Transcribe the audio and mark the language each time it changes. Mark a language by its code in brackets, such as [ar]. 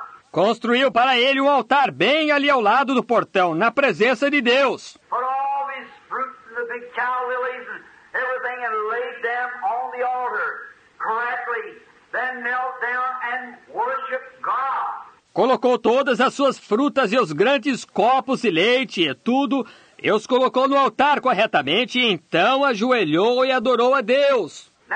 [pt] construiu para ele um altar bem ali ao lado do portão, na presença de Deus. [en] Put all his fruits and the big cow lilies and everything and laid them on the altar correctly. Then knelt down and worshiped God. [pt] Colocou todas as suas frutas e os grandes copos de leite e tudo, e os colocou no altar corretamente, e então ajoelhou e adorou a Deus.